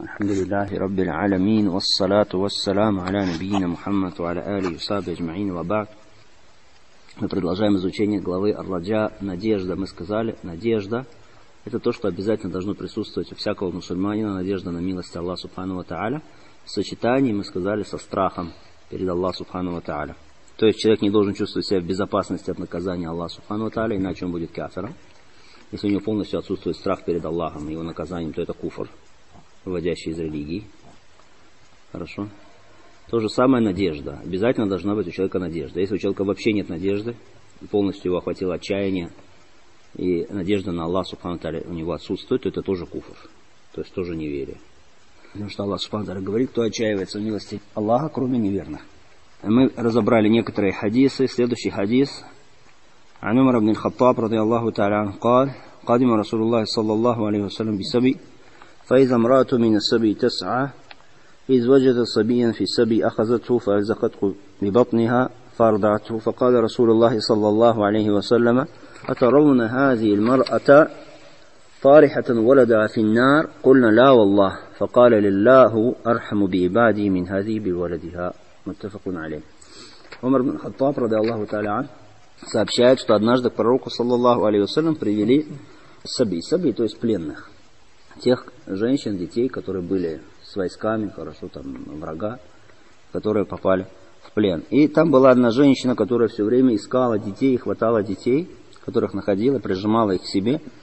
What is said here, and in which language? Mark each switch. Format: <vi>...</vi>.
<ar>الحمد لله رب العالمين، والصلاة والسلام على نبينا محمد وعلى آله وصحبه أجمعين. وبعد،</ar> <ru>мы продолжаем изучение главы Ар-Раджа. Надежда, мы сказали, надежда — это то, что обязательно должно присутствовать у всякого мусульманина, надежда на милость Аллаха Субхану ва Тааля, в сочетании, мы сказали, со страхом перед Аллахом Субхану ва Тааля. То есть человек не должен чувствовать себя в безопасности от наказания Аллаха Субхану ва Тааля, иначе он будет кафиром. Если у него полностью отсутствует страх перед Аллахом и его наказанием, то это куфр, выводящий из религии. Хорошо? То же самое надежда. Обязательно должна быть у человека надежда. Если у человека вообще нет надежды, полностью его охватило отчаяние, и надежда на Аллах Субхану Тааля у него отсутствует, то это тоже куфр. То есть тоже неверие. Потому что Аллах Субхану Тааля говорит, кто отчаивается в милости Аллаха, кроме неверных. Мы разобрали некоторые хадисы. Следующий хадис.</ru> <ar>عن عمر بن الخطاب رضي الله تعالى عنه قال قدم رسول الله صلى الله عليه وسلم بسبي فإذا امرأة من السبي تسعى إذ وجدت صبيا في السبي أخذته فأرزقته ببطنها فأرضعته فقال رسول الله صلى الله عليه وسلم أترون هذه المرأة طارحة ولدها في النار قلنا لا والله فقال لله أرحم بعبادي من هذه بولدها متفق عليه.</ar> <ru>عمر بن الخطاب</ru> <ar>رضي الله تعالى عنه</ar> <ru>сообщает, что однажды к пророку, саллаллаху алейхи вассалям, привели саби, саби, то есть пленных. Тех женщин, детей, которые были с войсками, хорошо, там, врага, которые попали в плен. И там была одна женщина, которая все время искала детей, хватала детей, которых находила, прижимала их к себе.</ru>